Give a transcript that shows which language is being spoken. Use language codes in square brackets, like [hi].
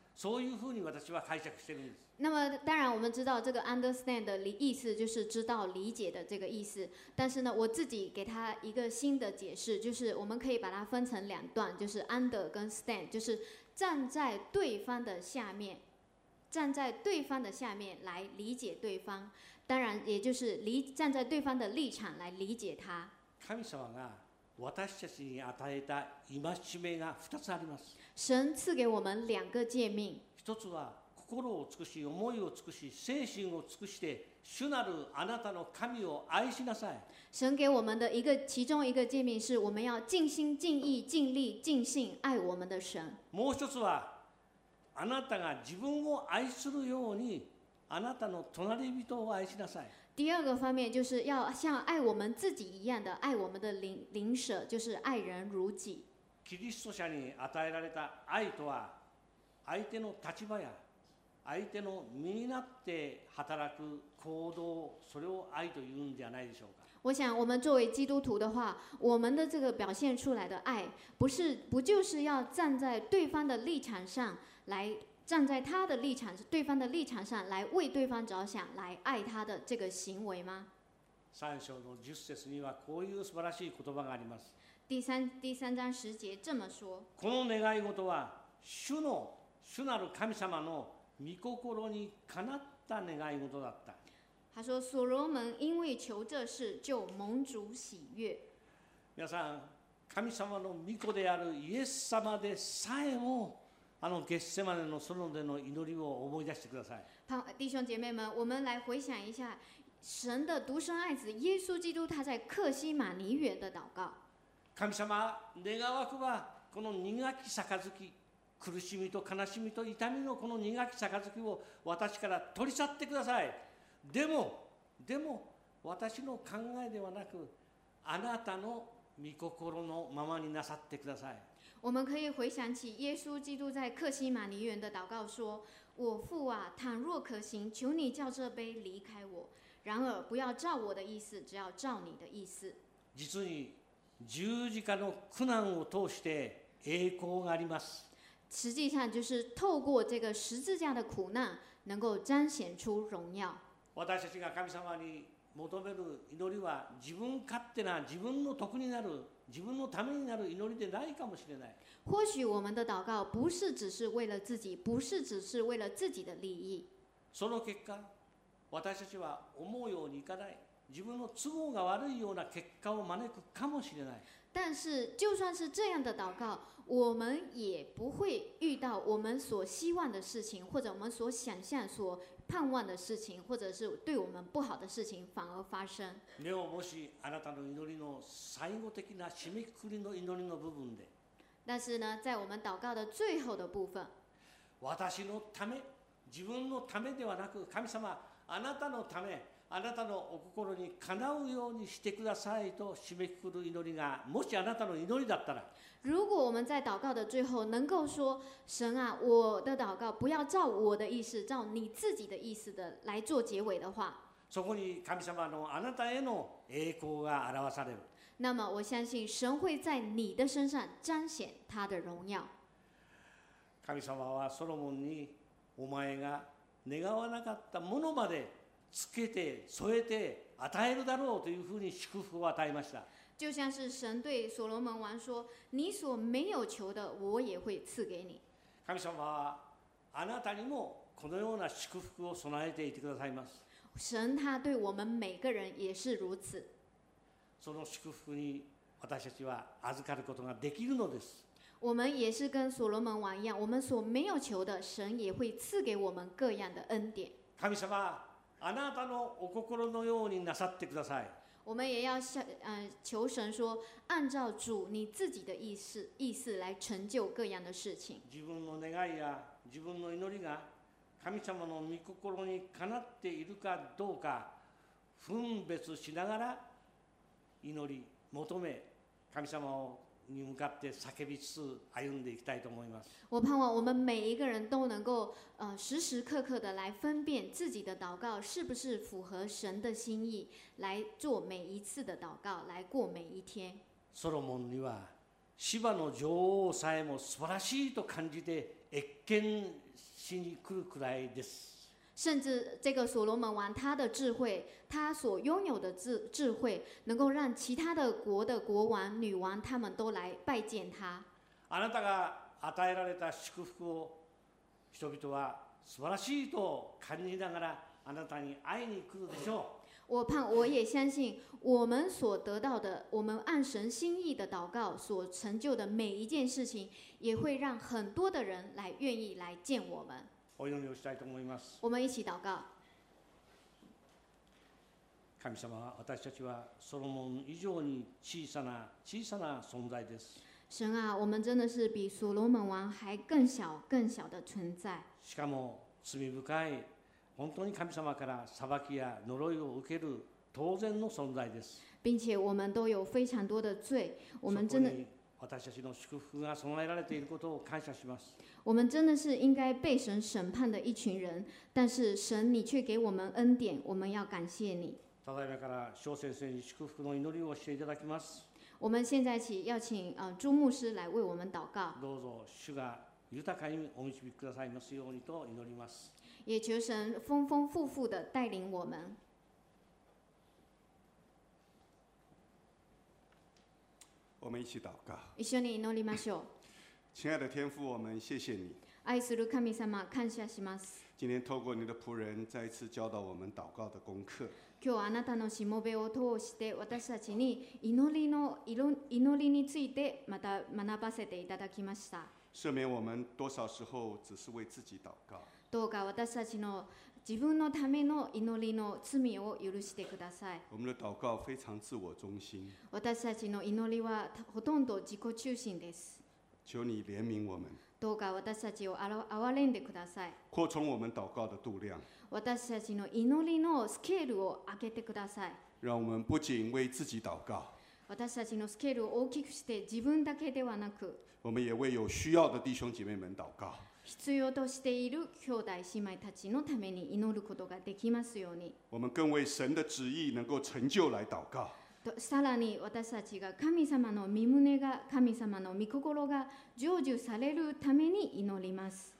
[ja] そういうふうに私は解釈しているんです。 [zh] 那么当然我们知道这个 understand 的意思就是知道理解的这个意思。但是呢，我自己给他一个新的解释，就是我们可以把它分成两段，就是 under 跟 stand， 就是站在对方的下面，站在对方的下面来理解对方。当然也就是站在对方的立场来理解他。 [ja] 神様が私たちに与えた戒めが2つあります。 [zh] 神赐给我们两个诫命。 [ja] 一つは心を尽くし、思いを尽くし、精神を尽くして主なるあなたの神を愛しなさい。 [zh] 神给我们的一个其中一个诫命是我们要尽心尽意尽力尽性爱我们的神。 [ja] もう一つはあなたが自分を愛するようにあなたの隣人を愛しなさい。 [zh] 第二个方面就是要像爱我们自己一样的爱我们的邻舍，就是爱人如己。 [ja] キリスト者に与えられた愛とは、相手の立場や相手の身になって働く行動、それを愛というんじゃないでしょうか。 [zh] 我想我们作为基督徒的话，我们的这个表现出来的爱，不就是要站在对方的立场上来。站在他的立场，对方的立场上来为对方着想，来爱他的这个行为吗？ [ja] 三章の十節にはこういう素晴らしい言葉があります。 [zh] 第三章十节这么说。 [ja] この願い事は主の主なる神様の御心にかなった願い事だった。 [zh] 他说所罗门因为求这事就蒙主喜悦。 [ja] 皆さん、神様の御子であるイエス様でさえもあのゲッセマネの園での祈りを思い出してください。 [zh] 弟兄姐妹们，我们来回想一下神的独生爱子耶稣基督他在克西马尼园的祷告。 [ja] 神様、願わくばこの苦き杯、苦しみと悲しみと痛みのこの苦き杯を私から取り去ってください。でも私の考えではなくあなたの御心のままになさってください。 [zh] 我们可以回想起耶稣基督在克西马尼园的祷告说：“我父啊，倘若可行，求你叫这杯离开我。然而不要照我的意思，只要照你的意思。” [ja] 実に十字架の苦難を通して栄光があります。 [zh] 实际上就是透过这个十字架的苦难，能够彰显出荣耀。 [ja] 私たちが神様に求める祈りは自分勝手な自分の得になる自分のためになる祈りでないかもしれない。 [zh] 或许我们的祷告不是只是为了自己，不是只是为了自己的利益。 [ja] その結果、私たちは思うようにいかない、自分の都合が悪いような結果を招くかもしれない。 [zh] 但是，就算是这样的祷告，我们也不会遇到我们所希望的事情，或者我们所想象所盼望的事情，或者是对我们不好的事情反而发生。 [ja] でももしあなたの祈りの最後的な締めくくりの祈りの部分で、 [zh] 但是呢，在我们祷告的最后的部分， [ja] 私のため、自分のためではなく、神様、あなたのため、あなたのお心にかなうようにしてくださいと締めくくる祈りが、もしあなたの祈りだったら、 [zh] 如果我们在祷告的最后能够说神啊，我的祷告不要照我的意思，照你自己的意思的来做结尾的话， [ja] そこに神様のあなたへの栄光が表される。 [zh] 那么我相信神会在你的身上彰显他的荣耀。 [ja] 神様はソロモンにお前が願わなかったものまでつけて添えて与えるだろうというふうに祝福を与えました。 [zh] 就像是神对所罗门王说：“你所没有求的，我也会赐给你。” [ja] 神様はあなたにもこのような祝福を備えていてくださいます。 [zh] 神他对我们每个人也是如此。 [ja] その祝福に私たちは預かることができるのです。 [zh] 我们也是跟所罗门王一样，我们所没有求的，神也会赐给我们各样的恩典。 [ja] 神様、あなたのお心のようになさってください。 [zh] 我们也要求神说，按照主你自己的意思来成就各样的事情。 [ja] 自分の願いや自分の祈りが神様の御心にかなっているかどうか分別しながら祈り求め神様を。に向かって叫びつつ歩んでいきたいと思います。 [zh] 我盼望我们每一个人都能够，时时刻刻的来分辨自己的祷告是不是符合神的心意，来做每一次的祷告，来过每一天。 [ja] ソロモンにはシバの女王さえも素晴らしいと感じて謁見しに来るくらいです。 [zh] 甚至这个所罗门王，他的智慧，他所拥有的智慧，能够让其他的国的国王、女王，他们都来拜见他。 [ja] あなたが与えられた祝福を人々は素晴らしいと感じながらあなたに会いに来るでしょう。 [zh] 我也相信，我们所得到的，我们按神心意的祷告所成就的每一件事情，也会让很多的人来愿意来见我们。 [ja] お祈りをしたいと思います。 [zh] 我们一起祷告。 [ja] 神様、私たちはソロモン以上に小さな小さな存在です。 [zh] 神啊，我们真的是比所罗门王还更小更小的存在。 [ja] しかも罪深い、本当に神様から裁きや呪いを受ける当然の存在です。 [zh] 并且我们都有非常多的罪，我们真的。 [ja] 私たちの祝福が備えられていることを感謝します。 [zh] 我们真的是应该被神审判的一群人，但是神你却给我们恩典，我们要感谢你。 [ja] ただいまから小先生に祝福の祈りをしていただきます。 [zh] 我们现在起要请朱牧师来为我们祷告。 [ja] どうぞ主が豊かにお導きくださいますようにと祈ります。 [zh] 也求神丰丰富富的带领我们。我们一起祷告。 [ja] 一緒に祈りましょう。 [zh] 亲爱的天父，我们谢谢你。 [ja] 愛する神様、感謝します。 [zh] 今天透過你的仆人再一次教導我們禱告的功課。 [ja] 今日あなたのしもべを通して私たちに祈りについてまた学ばせていただきました。 [zh] 赦免我們多少時候只是為自己禱告。 [ja] どうか私たちの自分のための祈りの罪を許してください。 [zh] 我们的祷告非常自我中心。 [ja] 私たちの祈りはほとんど自己中心です。 [zh] 求你怜悯我们。 [ja] どうか私たちを憐れんでください。 [zh] 扩充我们祷告的度量。 [ja] 私たちの祈りのスケールを上げてください。 [zh] 让我们不仅为自己祷告。 [ja] 私たちのスケールを大きくして自分だけではなく。 [zh] 我们也为有需要的弟兄姐妹们祷告。 [ja] 必要としている兄弟姉妹たちのために祈ることができますように。 [zh] 我们更为神的旨意能够成就来祷告。 [ja] さらに私たちが神様の御旨が神様の御心が成就されるために祈ります。